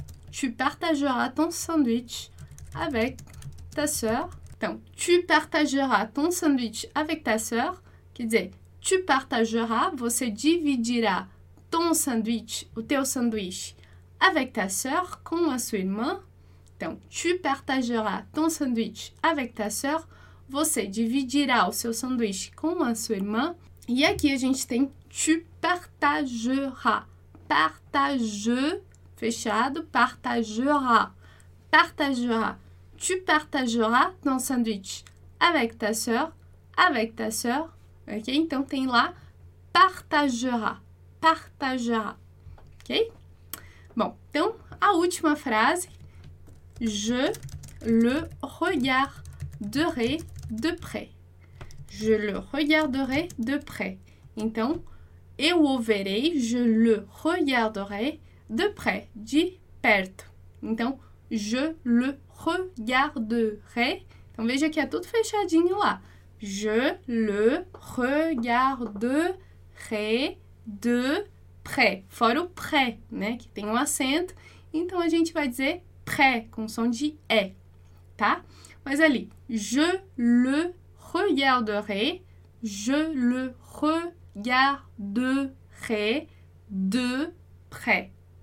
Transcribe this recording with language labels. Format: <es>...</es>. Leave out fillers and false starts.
<fr>Tu partageras ton sandwich avec ta sœur.</fr> <pt>Então,</pt> <fr>tu partageras ton sandwich avec ta sœur.</fr> <pt>Quer dizer,</pt> <fr>tu partageras,</fr> <pt>você dividirá</pt> <fr>ton sandwich,</fr> <pt>o teu sanduíche,</pt> <fr>avec ta sœur,</fr> <pt>com a sua irmã. Então,</pt> <fr>tu partageras ton sandwich avec ta sœur.</fr> <pt>Você dividirá o seu sanduíche com a sua irmã. E aqui a gente tem</pt> <fr>tu partageras. Partage,</fr> <pt>fechado,</pt> <fr>partageras. Partageras. Tu partageras ton sandwich avec ta sœur. Avec ta sœur. Ok?</fr> <pt>Então tem lá partageras. Partageras. Ok? Bom, então a última frase.</pt> <fr>Je le regarderai de près. Je le regarderai de près.</fr> <pt>Então, eu o verei,</pt> <fr>je le regarderai de près,</fr> <pt>de perto. Então,</pt> <fr>je le regarderai.</fr> <pt>Então, veja que é tudo fechadinho lá.</pt> <fr>Je le regarderai de près.</fr> <pt>Fora o près, né? Que tem um acento. Então, a gente vai dizer près, com som de é, tá? Mas ali,</pt> <fr>je le regarderai, je le regarderai de près.</fr>